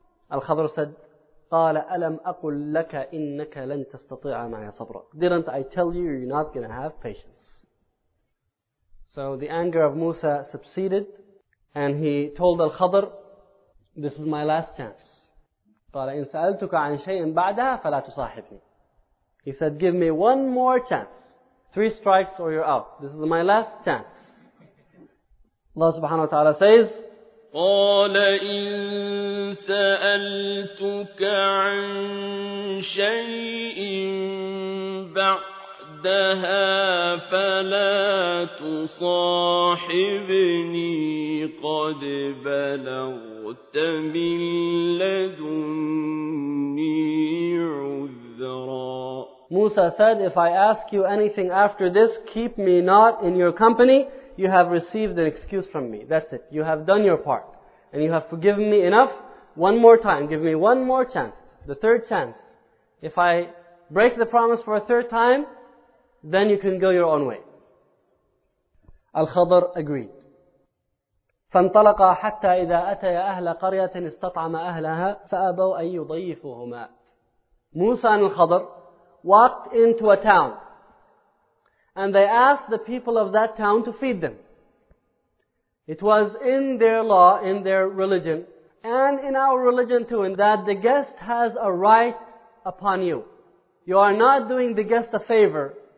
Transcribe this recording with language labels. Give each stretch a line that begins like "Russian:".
English: Al-Khadr said,
Arabic: قَالَ أَلَمْ أَقُلْ لَكَ إِنَّكَ لَنْ تَسْتَطِيعَ مَعَيَ صَبْرًا.
English: Didn't I tell you you're not going to have patience? So the anger of Musa subsided and he told Al-Khadr, this is my last chance.
Arabic: قال إن سألتك عن شيء بعدها فلا تصاحبني.
English: He said, give me one more chance. Three strikes or you're out. This is my last chance. Allah subhanahu wa ta'ala says,
Arabic: قال إن سألتك عن شيء بعدها فلا تصاحبني قد بلغت من لدني عذرا.
English: Musa said, if I ask you anything after this, keep me not in your company. You have received an excuse from me. That's it. You have done your part. And you have forgiven me enough. One more time. Give me one more chance. The third chance. If I break the promise for a third time, then you can go your own way. Al-Khadr agreed.
Arabic: فانطلقا حتى إذا أتيا أهل قرية استطعما أهلها فأبوا أن يضيفوهما.
English: Musa and Al-Khadr walked into a town and they asked the people of that town to feed them. It was in their law, in their religion, and in our religion too, in that the guest has a right upon you. You are not doing the guest a favor